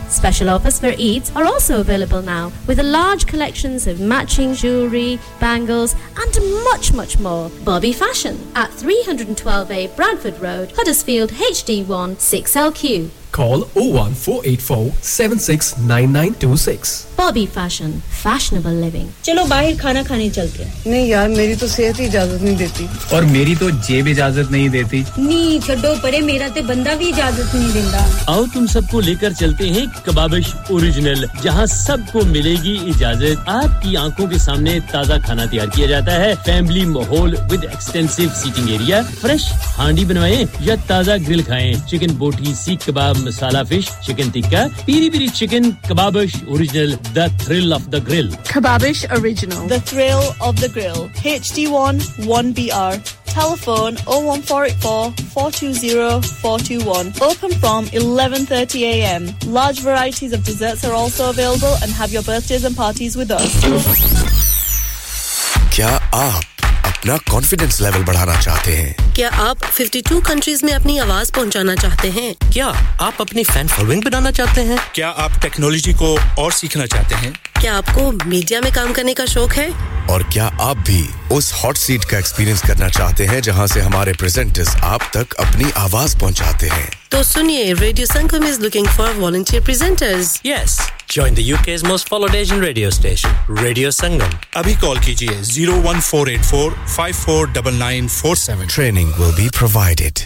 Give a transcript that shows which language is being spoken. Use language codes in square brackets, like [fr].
[en] Special offers for Eids are also available now with a large collections of matching jewelry, bangles and much more. Bobby Fashion at 312A Bradford Road, Huddersfield HD1 6LQ. Call 01484-769926. Bobby Fashion, fashionable living. [hi] चलो बाहर खाना खाने चलते हैं। नहीं यार, मेरी तो सेहत ही इजाजत नहीं देती। और मेरी तो जेब इजाजत नहीं देती। नहीं छोड़ो, परे मेरा तो बंदा भी इजाजत नहीं देता। आओ तुम सबको लेकर चलते हैं कबाबिश ओरिजिनल, जहां सबको मिलेगी इजाजत। आपकी आंखों के सामने ताजा खाना तैयार किया जाता है, फैमिली माहौल with extensive seating area, fresh हांडी बनवाएं या ताजा ग्रिल खाएं, चिकन बोटी, सीख कबाब, मसाला fish, chicken tikka, Piri Piri chicken, Kababish original, [en] The Thrill of the Grill. Kebabish Original. The Thrill of the Grill. HD1 1BR. Telephone 01484 420 421. Open from 11:30 a.m. Large varieties of desserts are also available and have your birthdays and parties with us. [hi] Kya aap अपना confidence level बढ़ाना चाहते हैं? क्या आप 52 countries में अपनी आवाज पहुंचाना चाहते हैं? क्या आप अपनी फैन फॉलोइंग बनाना चाहते हैं? क्या आप टेक्नोलॉजी को और सीखना चाहते हैं? क्या आपको मीडिया में काम करने का शौक है? और क्या आप भी उस हॉट सीट का एक्सपीरियंस करना चाहते हैं जहां से हमारे प्रेजेंटर्स आप तक अपनी आवाज पहुंचाते हैं? तो सुनिए, radio Sangam is looking for volunteer presenters. [en] Yes, join the UK's most followed Asian radio station, Radio Sangam. [hi] Abhi call kijiye 01484-549947. [en] Training will be provided.